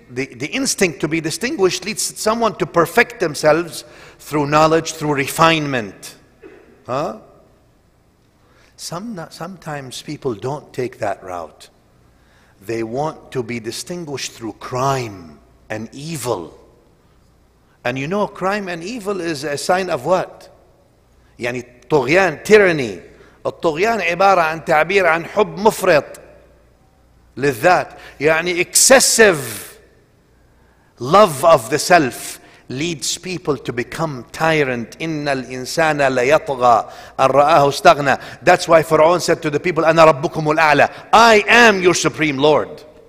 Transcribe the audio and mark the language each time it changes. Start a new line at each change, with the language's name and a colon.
English: The instinct to be distinguished leads someone to perfect themselves through knowledge, through refinement. Huh? Sometimes people don't take that route. They want to be distinguished through crime and evil. And you know, crime and evil is a sign of what?
Arabic: يعني طغيان,
English: tyranny.
Arabic: الطغيان عبارة عن تعبير عن حب مفرط للذات. يعني
English: excessive. Love of the self leads people to become tyrant.
Arabic: إِنَّ الْإِنسَانَ لَيَطْغَى أَنْ رَآهُ اسْتَغْنَى
English: That's why Pharaoh said to the people,
Arabic: أَنَا رَبُّكُمُ الْأَعْلَى
English: I am your supreme Lord.